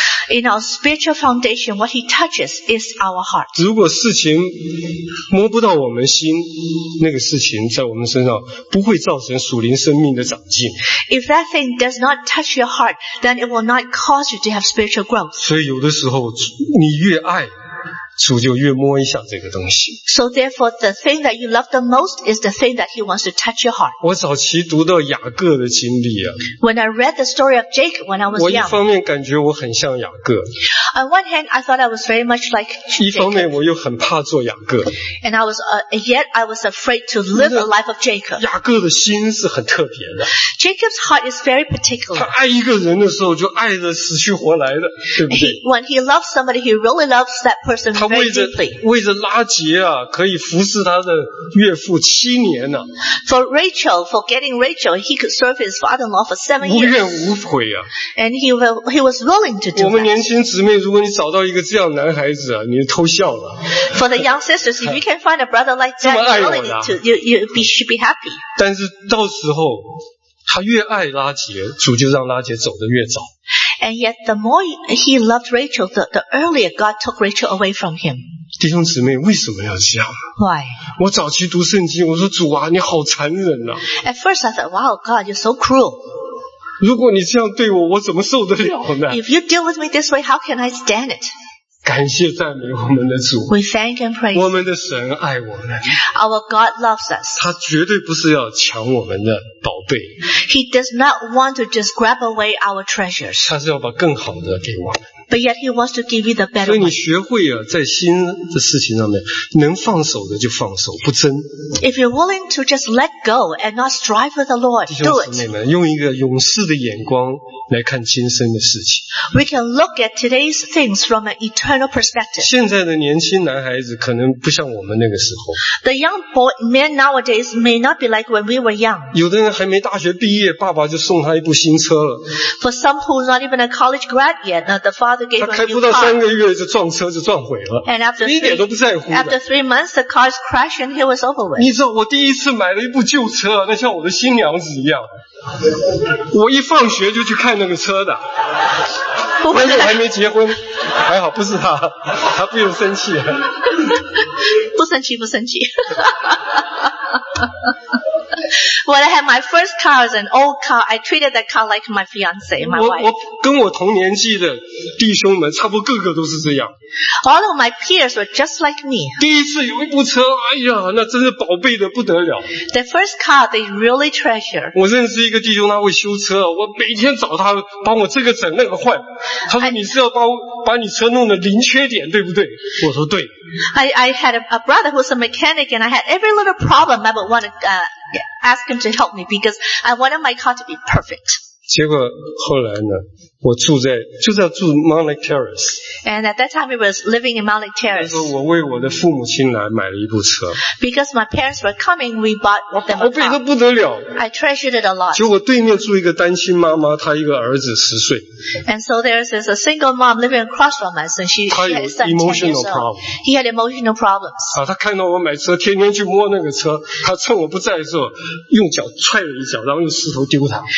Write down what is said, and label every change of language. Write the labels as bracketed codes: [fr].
[en] In our spiritual foundation, what he touches is our heart. [zh] 如果事情摸不到我们心，那个事情在我们身上不会造成属灵生命的长进。 [en] If that thing does not touch your heart, then it will not cause you to have spiritual growth. [zh] 所以有的时候，你越爱，主就越摸一下这个东西。 [en] So therefore, the thing that you love the most is the thing that he wants to touch your heart. [zh] 我早期读到雅各的经历啊。 [en] When I read the story of Jacob when I was young. [zh] 我一方面感觉我很像雅各。 [en] On one hand, I thought I was very much like Jacob. [zh] 一方面我又很怕做雅各。 [en] And I was, yet I was afraid to live the life of Jacob. [zh] 雅各的心是很特别的。 [en] Jacob's heart is very particular. [zh] 他爱一个人的时候就爱得死去活来的，对不对？ [en] When he loves somebody, he really loves that person. [zh] 他为着拉结啊，可以服侍他的岳父七年呢、啊。 [en] For getting Rachel, he could serve his father-in-law for 7 years. [zh] 无怨无悔啊。 [en] And he was willing to do that. [zh] 我们年轻姊妹，如果你找到一个这样男孩子啊，你就偷笑了。 [en] For the young sisters, if you can find a brother like that, you really need to, should be happy. [zh] 但是到时候，他越爱拉结，主就让拉结走得越早。 [en] And yet, the more he loved Rachel, the earlier God took Rachel away from him. [zh] 弟兄姊妹，为什么要这样？ [en] Why? [zh] 我早期读圣经，我说主啊，你好残忍啊！ [en] At first, I thought, "Wow, God, you're so cruel." [zh] 如果你这样对我，我怎么受得了呢？ [en] If you deal with me this way, how can I stand it? [zh] 感谢赞美我们的主。 [en] We thank and praise. [zh] 我们的神爱我们。 [en] Our God loves us. [zh] 他绝对不是要抢我们的宝贝。 [en] He does not want to just grab away our treasures. [zh] 他是要把更好的给我们。 [en] But yet he wants to give you the better one. [zh] 所以你学会啊，在心的事情上面，能放手的就放手，不争。 [en] If you're willing to just let go and not strive with the Lord, do it. [zh] 弟兄姊妹们，用一个勇士的眼光来看今生的事情。 [en] We can look at today's things from an eternal perspective. [zh] 现在的年轻男孩子可能不像我们那个时候。 [en] The young boy, men nowadays may not be like when we were young. [zh] 有的人还没大学毕业，爸爸就送他一部新车了。 [en] For some who's not even a college grad yet, the father gave him a new car. [zh] 他开不到三个月就撞车就撞毁了。 [en] And after [zh] 一点都不在乎。 [en] After 3 months, the car's crash and he was over with. [zh] 你知道我第一次买了一部旧车，那像我的新娘子一样。我一放学就去看那个车的，那时候还没结婚，还好不是他，他不用生气，不生气不生气。 [en] When I had my first car, an old car, I treated that car like my fiance, my wife. [zh] 我跟我同年纪的弟兄们差不多个个都是这样。 [en] All of my peers were just like me. [zh] 第一次有一部车，哎呀，那真是宝贝的不得了。 [en] The first car they really treasure. [zh] 我认识一个弟兄，他会修车，我每天找他帮我这个整那个换。他说你是要把你车弄得零缺点，对不对？我说对。 [en] I had a brother who's a mechanic, and I had every little problem I would want to ask him to help me because I wanted my car to be perfect. [zh] 结果后来呢，我住在就在住 Mount Terrace. [en] And at that time, I was living in Mount Terrace. [zh] 说我为我的父母亲来买了一部车。 [en] Because my parents were coming, we bought them a car. [zh] 我宝贝的不得了。 [en] I treasured it a lot. [zh] 结果对面住一个单亲妈妈，她一个儿子十岁。 [en] And so there is a single mom living across from us, and she has emotional problems. He had emotional problems. [zh] 啊，他看到我买车，天天去摸那个车，他趁我不在的时候，用脚踹了一脚，然后用石头丢他。